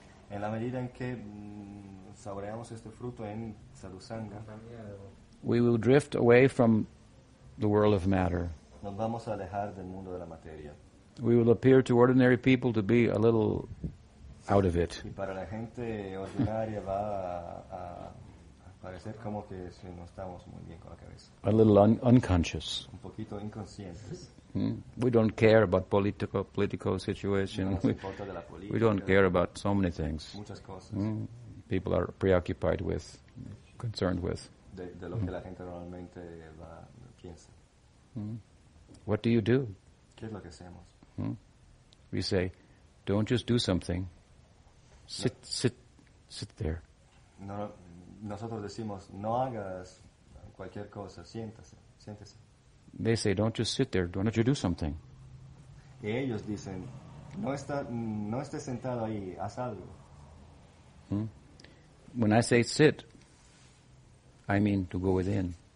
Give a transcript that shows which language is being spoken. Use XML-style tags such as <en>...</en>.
<es>En la medida en que saboreamos este fruto en sadhu sangha,</es> <en>we will drift away from the world of matter.</en> <es>Nos vamos a alejar del mundo de la materia.</es> <en>We will appear to ordinary people to be a little out of it.</en> <es>Y para la gente ordinaria va a parecer como que si no estamos muy bien con la cabeza.</es> <en>A little unconscious.</en> <es>Un poquito inconscientes.</es> <en>We don't care about political situation.</en> <es>No nos importa de la política.</es> <en>We don't care about so many things.</en> <es>Muchas cosas.</es> <en>People are preoccupied with, concerned with.</en> <es>De lo que la gente normalmente va, piensa.</es> <en>What do you do?</en> <es>¿Qué es lo que hacemos?</es> <en>We say, don't just do something. Sit there.</en> <es>No, nosotros decimos, no hagas cualquier cosa, siéntese.</es> <en>They say, don't just sit there, don't you do something.</en> <es>Y ellos dicen, no estés sentado ahí, haz algo.</es> <en>When I say sit, I mean to go within.</en>